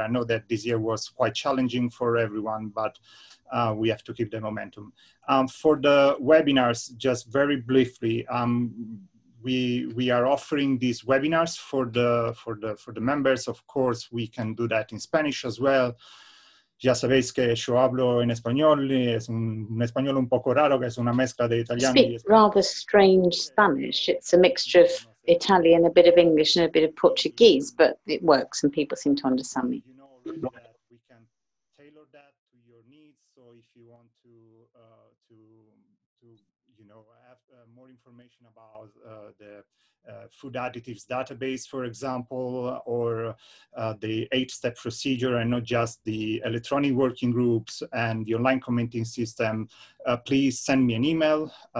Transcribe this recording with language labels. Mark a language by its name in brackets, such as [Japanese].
[English] I know that this year was quite challenging for everyone, but we have to keep the momentum. For the webinars, just very briefly, we are offering these webinars for the members. Of course, we can do that in Spanish as well. [Spanish] Ya sabéis que yo hablo en español, es un español un poco raro, que es una mezcla de italiano. [English] Speak rather strange Spanish. It's a mixture of Italian, a bit of English, and a bit of Portuguese, but it works and people seem to understand me. You know that we can tailor that to your needs. So if you want to have more information about the food additives database, for example, or the 8-step procedure, and not just the electronic working groups and the online commenting system, please send me an email.